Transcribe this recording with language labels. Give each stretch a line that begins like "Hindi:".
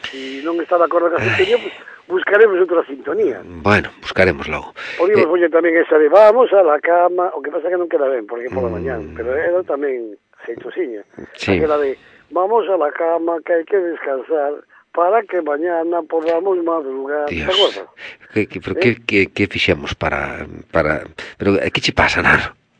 Galician: Si non está de acordo con a sintonía, pues buscaremos outra sintonía. Bueno, buscaremos logo. Podíamos poñer tamén esa de
Spanish: vamos a la cama,
Galician: o que pasa que non queda ben, porque pola mañán, pero era tamén... Sí. Aquela de
Spanish: vamos a la cama que hay que descansar para que mañana podamos madrugar. Dios.
Galician: ¿Qué fixemos para pero que che pasa, Nano?